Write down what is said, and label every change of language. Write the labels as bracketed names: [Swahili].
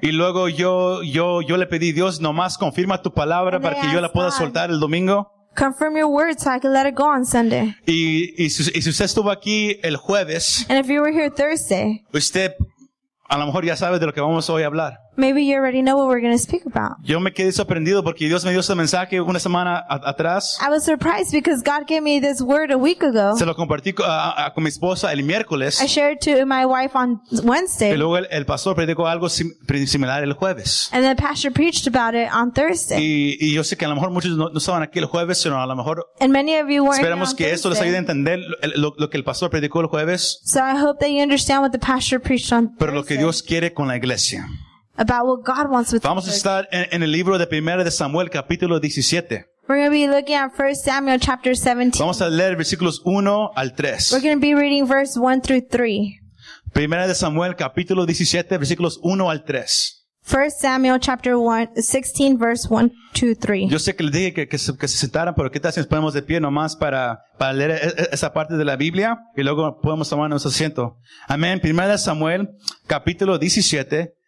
[Spanish] Y luego yo le pedí, Dios, nomás confirma tu palabra [English] and [Spanish] para que yo la pueda [English] God. [Spanish] Soltar el domingo. [English] Confirm your word so I can let it go on Sunday. [Spanish] Y si usted estuvo aquí el jueves. [English] And if you were here Thursday. [Spanish] Usted a lo mejor ya sabe de lo que vamos hoy a hablar. [English] Maybe you already know what we're going to speak about. [Spanish] Yo me quedé sorprendido porque Dios me dio ese mensaje una semana atrás. [English] I was surprised because God gave me this word a week ago. [Spanish] Se lo compartí con mi esposa el miércoles. [English] I shared it to my wife on Wednesday. [Spanish] Y luego el pastor predicó algo similar el jueves. [English] And the pastor preached about it on Thursday. [Spanish] Y yo sé que a lo mejor muchos no estaban aquí el jueves, sino a lo mejor. [English] And many of you weren't. [Spanish] Esperamos que esto les ayude a entender lo que el pastor predicó el jueves. [English] So I hope that you understand what the pastor preached on Thursday. [Spanish] Pero lo que Dios quiere con la iglesia. [English] About what God wants with [Spanish] vamos a estar en el libro de Primera de Samuel, capítulo 17. [English] We're going to be looking at 1 Samuel, chapter 17. [Spanish] Vamos a leer versículos 1 al 3. [English] We're going to be reading verse 1 through 3. [Spanish] Primera de Samuel, capítulo 17, versículos 1 al 3. [English] 1 Samuel, chapter 1, 16, verse [Spanish] 1, 2, 3. Yo sé que les dije que se sentaran, pero ¿qué tal si nos ponemos de pie nomás para leer esa parte de la Biblia? Y luego podemos tomar nuestro asiento. Amén. Primera de Samuel, capítulo 17.